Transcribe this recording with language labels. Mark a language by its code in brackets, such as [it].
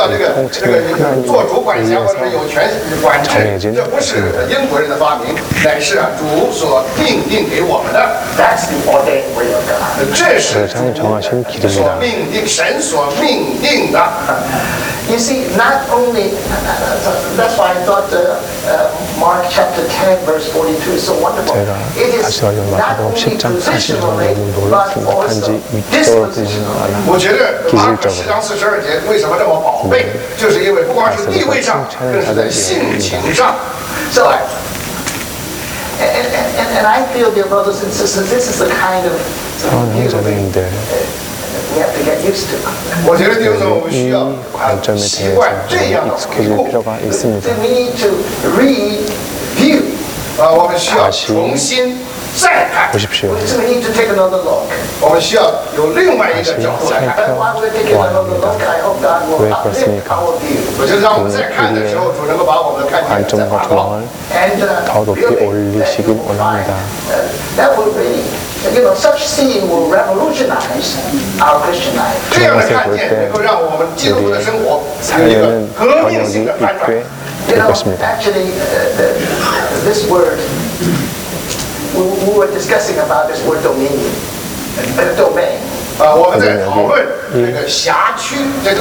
[zh] 我提到这个，这个做主管辖或者有权管制，这不是英国人的发明，乃是主所定定给我们的。 [en] That's the ordained will of God. [zh] 这是主所命定，神所命定的。 [en] You see, not only that's why I thought the Mark chapter 10 verse 42 is so wonderful. It is not only positionally, but also dispositionally. [zh] 我觉得马可十章四十二节为什么这么宝贝，就是因为不光是地位上，更是在性情上。 [en] So, and I feel, dear brothers and sisters, this is the kind of something here. [zh] 我觉得弟兄们，我们需要习惯这样的回顾。 [en] We need to review. [zh] 我们需要重新再看。不是不是。 [en] We need to take another look. [zh] 我们需要有另外一个角度来看。 [en] Why we take another look? I hope God will update our view. [zh] 我就让我们在看的时候，主能够把我们的看见再打开。 [en] And that will really, you know, such seeing will revolutionize. [zh] 这样的看见能够让我们基督徒的生活有一个革命性的反转。 [en] You know, actually, this word, we were discussing about this word domain. [zh] 我们在讨论那个辖区，这个